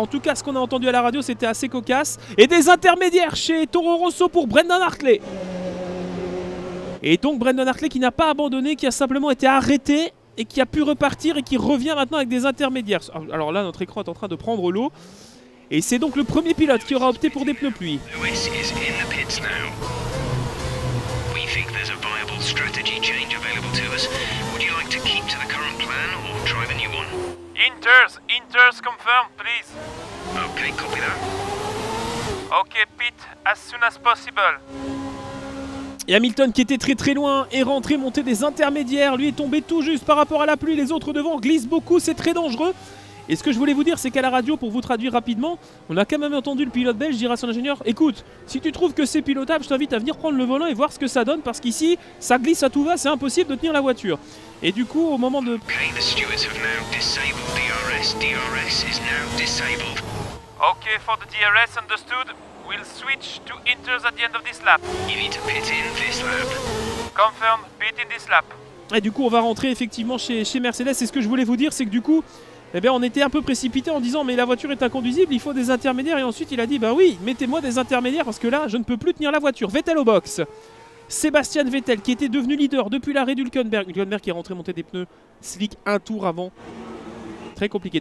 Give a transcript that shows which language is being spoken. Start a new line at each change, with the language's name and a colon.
French: En tout cas, ce qu'on a entendu à la radio, c'était assez cocasse. Et des intermédiaires chez Toro Rosso pour Brendan Hartley. Et donc Brendan Hartley qui n'a pas abandonné, qui a simplement été arrêté et qui a pu repartir et qui revient maintenant avec des intermédiaires. Alors là, notre écran est en train de prendre l'eau. Et c'est donc le premier pilote qui aura opté pour des pneus pluie.
English: Lewis is in the pits now. We think there's a viable strategy change available to us. Would you like to keep to the current plan or drive a new one? Inters, inters confirmed, please. Okay, copy that. Okay, Pete, as soon as possible.
French: Et Hamilton, qui était très très loin, est rentré, monté des intermédiaires. Lui est tombé tout juste par rapport à la pluie. Les autres devant glissent beaucoup, c'est très dangereux. Et ce que je voulais vous dire, c'est qu'à la radio, pour vous traduire rapidement, on a quand même entendu le pilote belge dire à son ingénieur « Écoute, si tu trouves que c'est pilotable, je t'invite à venir prendre le volant et voir ce que ça donne, parce qu'ici, ça glisse à tout va, c'est impossible de tenir la voiture. » Et du coup, au moment de...
English: Okay, the stewards have now disabled DRS. DRS is now disabled. Okay, for the DRS understood, we'll switch to inters at the end of this lap. You need to pit in this lap. Confirm, pit in this lap.
French: Et du coup, on va rentrer effectivement chez Mercedes. Et ce que je voulais vous dire, c'est que du coup... Eh bien, on était un peu précipité en disant « Mais la voiture est inconduisible, il faut des intermédiaires. » Et ensuite, il a dit « Bah oui, mettez-moi des intermédiaires parce que là, je ne peux plus tenir la voiture. » Vettel au box. Sébastien Vettel, qui était devenu leader depuis l'arrêt d'Hülkenberg. Hülkenberg qui est rentré monter des pneus slick un tour avant. Très compliqué.